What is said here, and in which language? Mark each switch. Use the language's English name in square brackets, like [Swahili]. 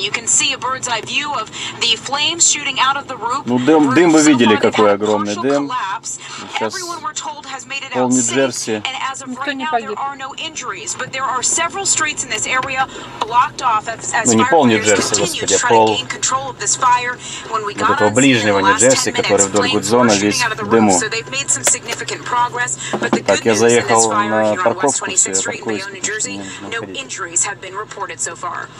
[English] You can see a bird's eye view of the flames shooting out of the roof. [Russian] Ну, дым вы видели, какой огромный дым. Сейчас пол Нью-Джерси. Никто не погиб. [English] There are no injuries, but there are several streets in this area blocked off as firefighters continue to try to gain control of this fire. When we got to the last 10 minutes, flames were shooting out of the roof, so they've made some significant progress. But the good news in this fire here on West 26th Street, Leon, New Jersey, no injuries have been reported so far.